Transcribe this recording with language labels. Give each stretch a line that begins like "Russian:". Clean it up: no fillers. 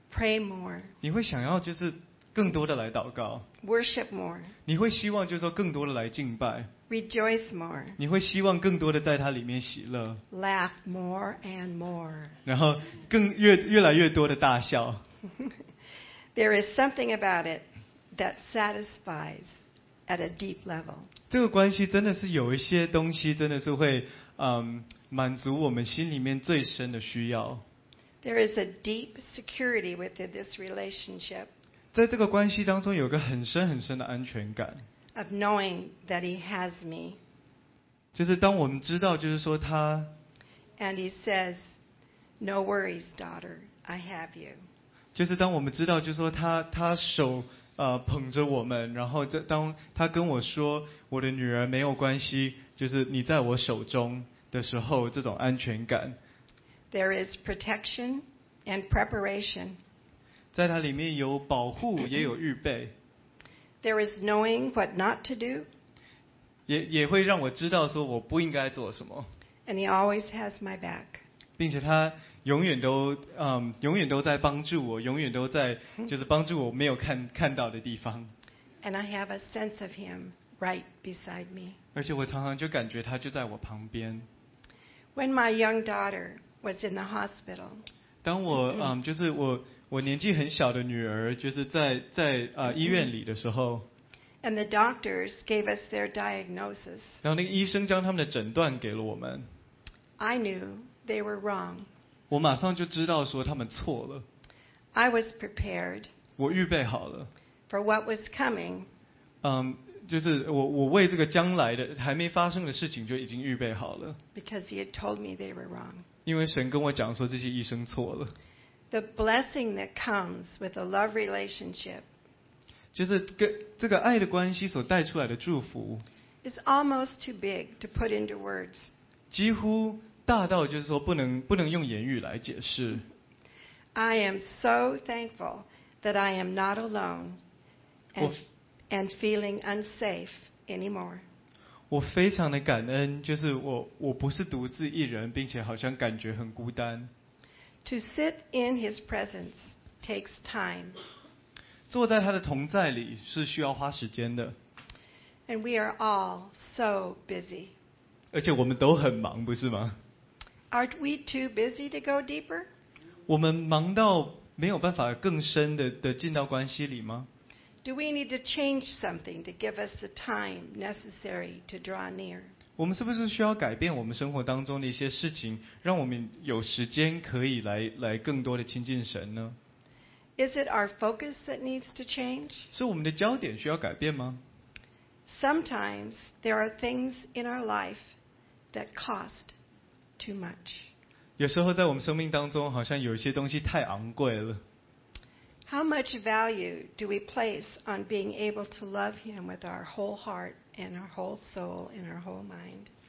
English: Pray more。
Chinese: 你会想要就是更多的来祷告。
English: Worship more。
Chinese: 你会希望就是说更多的来敬拜。
English: Rejoice more。
Chinese: 你会希望更多的在他里面喜乐。
English: Laugh more and more。
Chinese: 然后更越来越多的大笑。
English: There is something about it that satisfies at a deep level。
Chinese: 这个关系真的是有一些东西真的是会满足我们心里面最深的需要。
English: There is a deep security within this relationship。
Chinese: 在这个关系当中有个很深很深的安全感。
English: Of knowing that he has me，
Chinese: 就是当我们知道，就是说他。
English: And he says, "No worries, daughter, I have you."
Chinese: 就是当我们知道，就是说他手捧着我们，然后当他跟我说我的女儿没有关系，就是你在我手中的时候，这种安全感。
English: There is protection and preparation。
Chinese: 在他里面有保护，也有预备。
English: There is knowing what not to do。
Chinese: 也会让我知道说我不应该做什么。
English: And he always has my back。
Chinese: 并且他永远都永远都在帮助我，永远都在就是帮助我没有看到的地方。
English: And I have a sense of him right beside me。
Chinese: 而且我常常就感觉他就在我旁边。
English: When my young daughter was in the hospital。
Chinese: 当我就是我年纪很小的女儿就是在医院里的时候。
English: And the doctors gave us their diagnosis。
Chinese: 然后那个医生将他们的诊断给了我们。
English: I knew they were wrong。
Chinese: 我马上就知道说他们错了。
English: I was prepared。
Chinese: 我预备好了。
English: For what was coming。
Chinese: 就是我为这个将来的还没发生的事情就已经预备好了。
English: Because he had told me they were wrong。
Chinese: 因为神跟我讲说这些医生错了。
English: The blessing that comes with a love relationship，
Chinese: 就是跟这个爱的关系所带出来的祝福
English: ，is almost too big to put into words。
Chinese: 几乎大到就是说不能用言语来解释。
English: I am so thankful that I am not alone and feeling unsafe anymore。
Chinese: 我非常的感恩，就是我不是独自一人，并且好像感觉很孤单。
English: To sit in his presence takes time。
Chinese: 坐在他的同在里是需要花时间的。
English: And we are all so busy。
Chinese: 而且我们都很忙，不是吗
English: ？Aren't we too busy to go deeper？
Chinese: 我们忙到没有办法更深的进到关系里吗
English: ？Do we need to change something to give us the time necessary to draw near？
Chinese: 我们是不是需要改变我们生活当中的一些事情，让我们有时间可以来更多的亲近神呢
English: ？Is it our focus that needs to change？
Chinese: 是我们的焦点需要改变吗
English: ？Sometimes there are things in our life that cost too much。
Chinese: 有时候在我们生命当中，好像有一些东西太昂贵了。
English: How much value do we place on being able to love Him with our whole heart？ And our whole soul, and our whole mind.